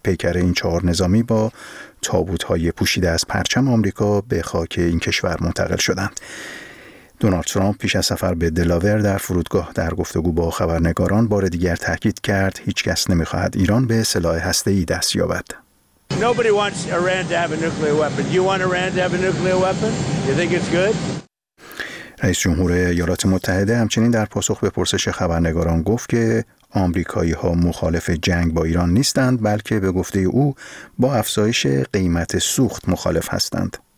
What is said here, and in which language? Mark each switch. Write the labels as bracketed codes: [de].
[fa] پیکر این 4 نظامی با تابوت‌های پوشیده از پرچم آمریکا به خاک این کشور منتقل شدند. دونالد ترامپ پیش از سفر به دلاور در فرودگاه در گفتگو با خبرنگاران بار دیگر تاکید کرد هیچ کس نمی‌خواهد ایران به سلاح هسته‌ای دست یابد. [en] Nobody wants Iran to have a nuclear weapon. You want Iran to have a nuclear weapon? You think it's good? [fa] رئیس جمهور ایالات متحده همچنین در پاسخ به پرسش خبرنگاران گفت که آمریکایی‌ها مخالف جنگ با ایران نیستند، بلکه به گفته او با افزایش قیمت سوخت مخالف هستند.